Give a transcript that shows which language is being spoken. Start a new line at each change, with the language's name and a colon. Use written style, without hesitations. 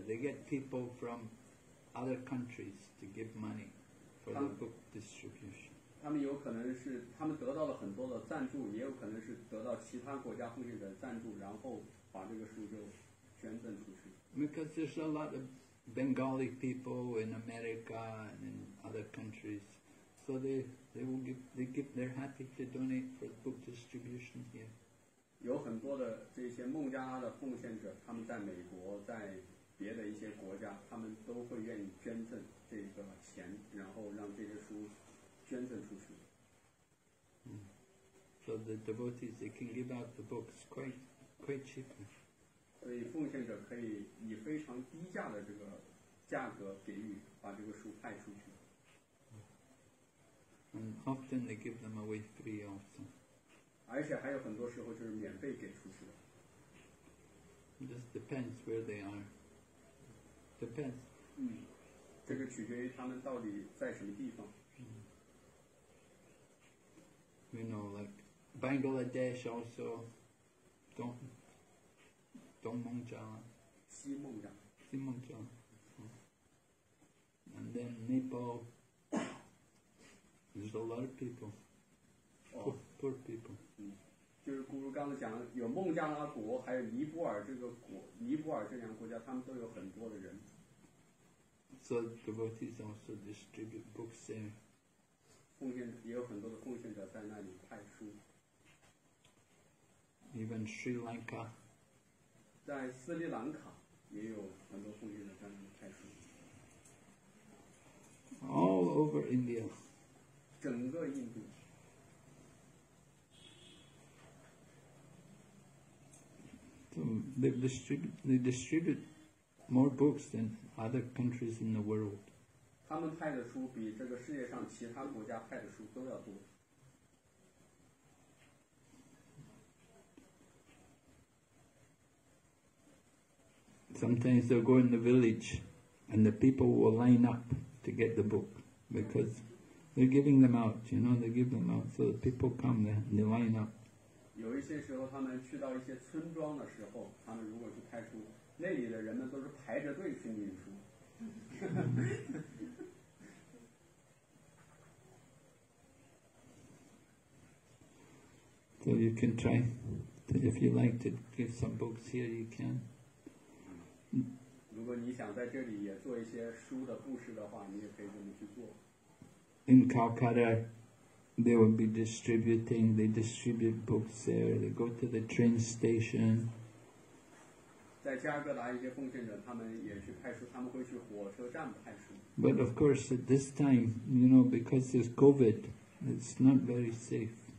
English: They get people from other countries to give money for the book distribution.
Chinese: 他们有可能是他们得到了很多的赞助，也有可能是得到其他国家奉献的赞助，然后把这个书就捐赠出去。
English: Because there's a lot of Bengali people in America and in other countries, so they give they're happy to donate for book distribution here.
Chinese: 有很多的这些孟加拉的奉献者，他们在美国，在别的一些国家，他们都会愿意捐赠这个钱，然后让这些书捐赠出去。
English: So the devotees they can give out the books quite cheaply.
Chinese: 所以奉献者可以以非常低价的这个价格给予，把这个书派出去。
English: And often they give them away free also.
Chinese: 而且还有很多时候就是免费给出去的。
English: It just depends where they are. Depends.
Chinese: 嗯，这个取决于他们到底在什么地方。
English: You know, like Bangladesh also don't. 东孟加拉，
Chinese: 西孟加拉，
English: 西孟加拉 ，and then Nepal, there's a lot of people, poor people.
Chinese: 嗯，就是咕噜刚才讲，有孟加拉国，还有尼泊尔这个国，尼泊尔这两个国家，他们都有很多的人。
English: So devotees also distribute books there.
Chinese: 奉献也有很多的奉献者在那里派书。
English: Even Sri Lanka.
Chinese: 在斯里兰卡也有很多奉献者在那里派出。
English: All over India.
Chinese: 整个印度。
English: So they distribute more books than other countries in the world.
Chinese: 他们派的书比这个世界上其他国家派的书都要多。
English: Sometimes they'll go in the village and the people will line up to get the book because they're giving them out, you know, they give them out. So the people come there and they line up.
Chinese: 有一些时候他们去到一些村庄的时候，他们如果去派出，那里的人们都是排着队去领书。
English: So you can try, if you like to give some books here, you can.
Chinese: 如果你想在这里也做一些书的布施的话，你也可以这么去做。
English: In Calcutta, they will be distributing. They distribute books there. They go to the train station.
Chinese: 在加尔各答一些奉献者，他们也去派书，他们会去火车站派书。
English: But of course, at this time, you know, because there's COVID, it's not very safe.